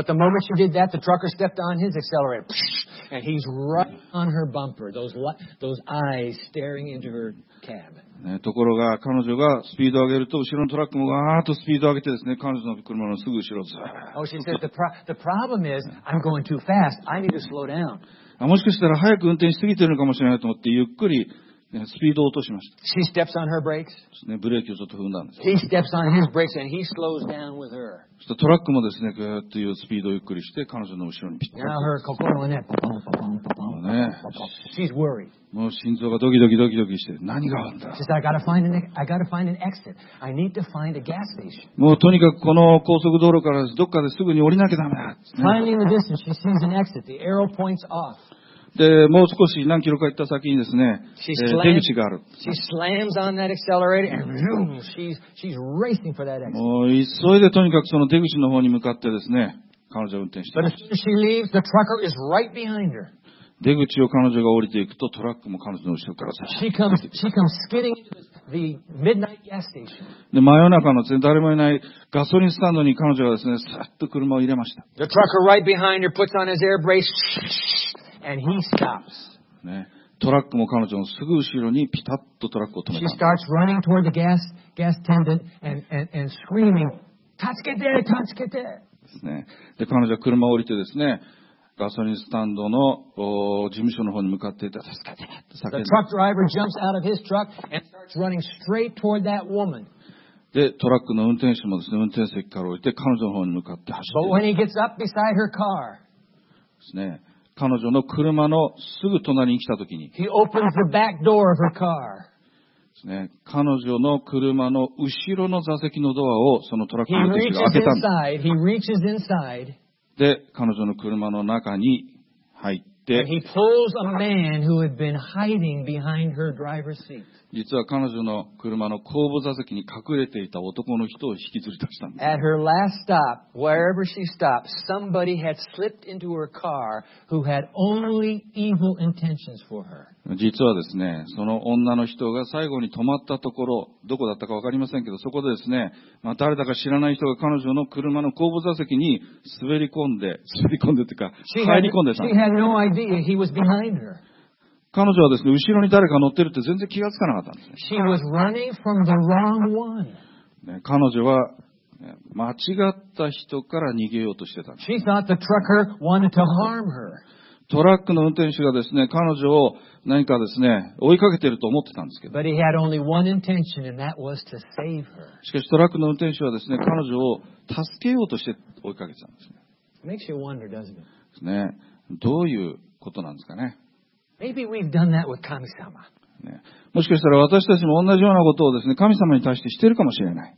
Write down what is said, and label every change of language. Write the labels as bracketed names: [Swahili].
[English] But the moment she did that, the trucker stepped on his accelerator, and he's right on her bumper. Those eyes staring into her cab.、 [Japanese] ね、ところが彼女がスピードを上げると後ろのトラックもガーッとスピードを上げてですね、彼女の車のすぐ後ろずー。 [English] Oh, she said the problem is I'm going too fast. I need to slow down. [Japanese] もしかしたら早く運転しすぎてるのかもしれないと思ってゆっくり。スピードを落としました。 [English] She steps on her brakes. [Japanese] ブレーキをちょっと踏んだんです。 [English] He steps on his brakes and he slows down with her. [Japanese] そしてトラックもですね、ぐーっというスピードをゆっくりして彼女の後ろにピッと。 [English] Now her [Japanese] 心はね、パンパンパンパンパン。ね。 [English] She's worried. [Japanese] もう心臓がドキドキドキドキして、何があるんだ。 [English] She says, I gotta find an exit. I need to find a gas station. [Japanese] もうとにかくこの高速道路からどっかですぐに降りなきゃダメだ。 [English] Finding the distance, she sees an exit. The arrow points off. [Japanese] でもう少し何キロか行った先にですね、出口がある。 [English] She slams on that accelerator and zoom. She's racing for that exit. [Japanese] もう急いでとにかくその出口の方に向かってですね、彼女は運転して [English] ます。But as soon as she leaves, the trucker is right behind her. [Japanese] 出口を彼女が降りていくとトラックも彼女の後ろからさ。 [English] She comes skidding into the midnight gas station. [Japanese] で真夜中の全然誰もいないガソリンスタンドに彼女はですね、さっと車を入れました。 [English] The trucker right behind her puts on his air brake. And he stops. [Japanese] ね、トラックも彼女のすぐ後ろにピタッとトラックを止めた。 [English] She starts running toward the gas attendant and screaming, [Japanese] 助けて、助けて。ですね。で、彼女は車を降りてですね、ガソリンスタンドの事務所の方に向かっていた。助けて、助けて。 [English] The truck driver jumps out of his truck and starts running straight toward that woman. [Japanese] でトラックの運転手もですね、運転席から降りて彼女の方に向かって走って。 [English] But when he gets up beside her car, [Japanese] ですね。彼女の車のすぐ隣に来たときに、 [English] He opens the back door of her car. [Japanese] ですね。彼女の車の後ろの座席のドアをそのトラックの後ろに開けたん [English] です。He reaches inside. [Japanese] で、彼女の車の中に入って、 [English] And he pulls a man who had been hiding behind her driver's seat. [Japanese] 実は彼女の車の後部座席に隠れていた男の人を引きずり出したんです。 [English] At her last stop, wherever she stopped, somebody had slipped into her car who had only evil intentions for her. [Japanese] 実はですね、その女の人が最後に止まったところ、どこだったかわかりませんけど、そこでですね、まあ、誰だか知らない人が彼女の車の後部座席に滑り込んでというか、入り込んでた。 [English] She had no idea he was behind her. [Japanese] 彼女はですね、後ろに誰か乗ってるって全然気がつかなかったんです、ね。 [English] She was running from the wrong one. [Japanese] ね、彼女は、ね、間違った人から逃げようとしてたんです、ね。 [English] She thought the trucker wanted to harm her. [Japanese] トラックの運転手がですね、彼女を何かですね、追いかけてると思ってたんですけど。 [English] But he had only one intention, and that was to save her. [Japanese] しかしトラックの運転手はですね、彼女を助けようとして追いかけてたんですね。 [English] Makes you wonder, doesn't it? [Japanese] ですね、どういうことなんですかね。 [English] Maybe we've done that with 神様。 [Japanese] ね、もしかしたら私たちも同じようなことをですね、神様に対してしているかもしれない。